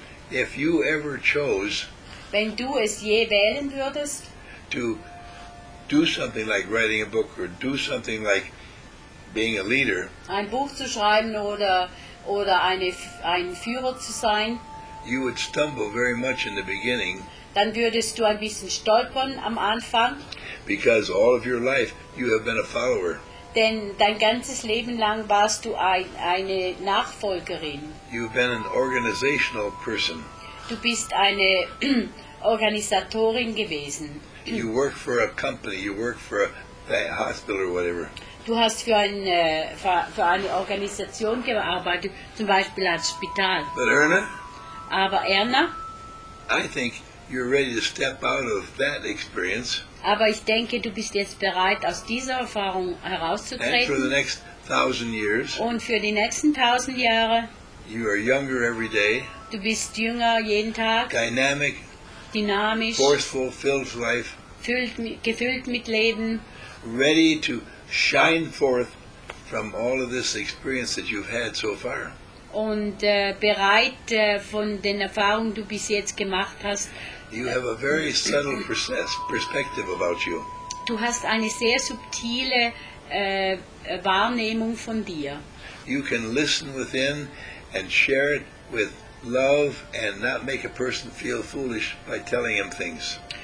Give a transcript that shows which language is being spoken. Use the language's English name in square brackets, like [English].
[English] if you ever chose, [German] wenn du es je wählen würdest, [English] to do something like writing a book or do something like being a leader, [German] ein Buch zu schreiben oder ein Führer zu sein, [English] you would stumble very much in the beginning. [German] Dann würdest du ein bisschen stolpern am Anfang. [English] Because all of your life you have been a follower. [German] Denn dein ganzes Leben lang warst du eine Nachfolgerin. [English] You've been an organizational person. [German] Du bist eine Organisatorin gewesen. [English] You work for a company, you work for a hospital or whatever. [German] Du hast für eine Organisation gearbeitet, zum Beispiel als Spital. [English] But Erna? [German] Aber Erna? [English] I think you're ready to step out of that experience. [German] Aber ich denke, du bist jetzt bereit, aus dieser Erfahrung herauszutreten. [English] And for the next 1000 years. [German] Und für die nächsten 1000 Jahre. [English] You are younger every day. [German] Du bist jünger jeden Tag. [English] Dynamic. [German] Dynamisch. [English] Forceful, filled life. [German] Gefüllt mit Leben. [English] Ready to shine forth from all of this experience that you've had so far. [German] Und bereit von den Erfahrungen, die du bis jetzt gemacht hast. [English] You have a very subtle perspective about you. [German] Du hast eine sehr subtile Wahrnehmung von dir. [English] You can listen within and share it with love and not make a person feel foolish by telling him things.